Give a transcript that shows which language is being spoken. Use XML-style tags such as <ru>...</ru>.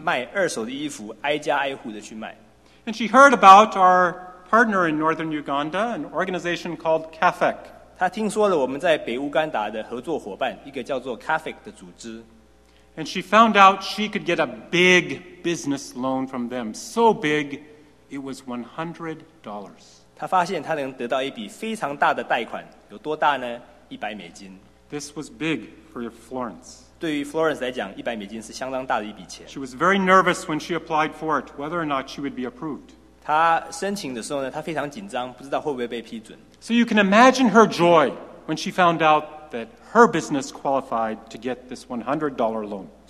<zh>所以她开始一个小本生意，她卖二手的衣服，挨家挨户的去卖。</zh> <en>And she heard about our partner in northern Uganda, an organization called CAFEC.</en> <zh>她听说了我们在北乌干达的合作伙伴，一个叫做CAFEC的组织。</zh> <en>And she found out she could get a big business loan from them, so big it was $100.</en> <zh>她发现她能得到一笔非常大的贷款，有多大呢？100美金。</zh> <en>This was big for Florence.</en> <zh>对于Florence来讲，100美金是相当大的一笔钱。</zh> <en>She was very nervous when she applied for it, whether or not she would be approved.</en> <zh>她申请的时候呢，她非常紧张，不知道会不会被批准。</zh> <en>So you can imagine her joy when she found out that her business qualified to get this $100 loan.</en>